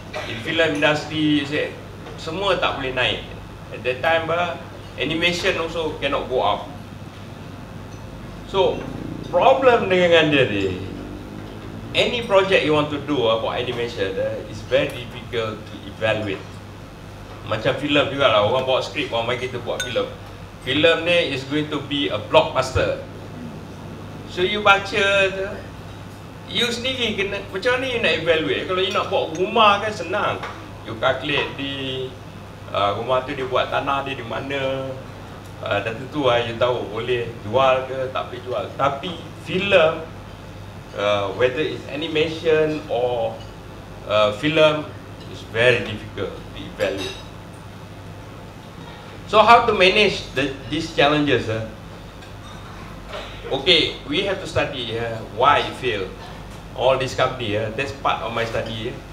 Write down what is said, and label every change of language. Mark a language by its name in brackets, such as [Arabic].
[English] In film industry, you say [Malay] semua tak boleh naik. [English] At that time, animation also cannot go up. So problem [Malay] dengan dia ni, [English] any project you want to do about animation is very difficult to evaluate. [Malay] Macam filem juga lah, orang bawa skrip, orang mai kita buat filem. Filem ni [English] is going to be a blockbuster. [Malay] So you baca tu, you sendiri kena, macam mana you nak evaluate? Kalau you nak buat rumah kan senang. You calculate di rumah tu dia buat tanah dia di mana. Dan tentu lah you tahu boleh jual ke tak boleh jual. [English] Tapi filem, whether it's animation or filem, is very difficult to evaluate. So how to manage these challenges? Okay, we have to study why it failed. All this company, that's part of my study.